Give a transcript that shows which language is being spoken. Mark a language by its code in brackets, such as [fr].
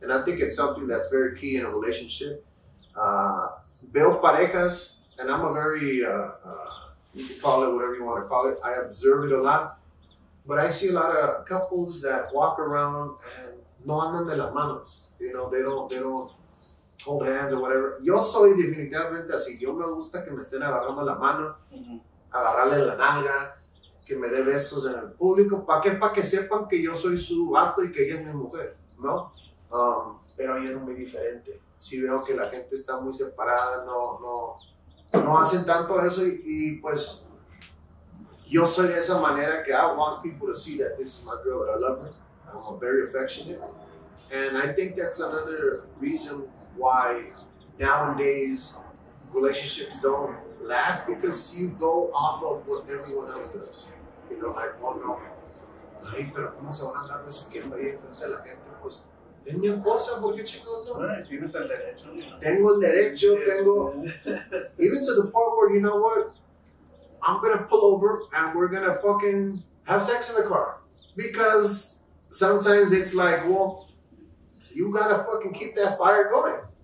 [en] And I think it's something that's very key in a relationship. [es] Veo parejas, [en] and I'm a very... you can call it whatever you want to call it. I observe it a lot. But I see a lot of couples that walk around and [es] no andan de las manos. [en] You know, they don't hold hands or whatever. [es] Yo soy definitivamente así. Yo me gusta que me estén agarrando la mano, agarrarle la nalga, que me dé besos en el público. ¿Para qué? Para que sepan que yo soy su vato y que ella es mi mujer, ¿no? Pero ahí es muy diferente. Sí veo que la gente está muy separada, no hacen tanto eso y pues yo soy de esa manera que [en] I want people to see that this is my girl, that I love her, I'm very affectionate, And I think that's another reason why nowadays relationships don't last, because you go off of what everyone else does. You know, like, oh no. [es] Ay, pero ¿cómo se van a andar besuqueando ahí en frente a la gente? Pues, es mi esposa, ¿por qué chingón no? Tienes el derecho, ¿no? Tengo el derecho, tengo... [en] Even to the point where, you know what? I'm gonna pull over and we're gonna fucking have sex in the car. Because sometimes it's like, well, you gotta fucking keep that fire going.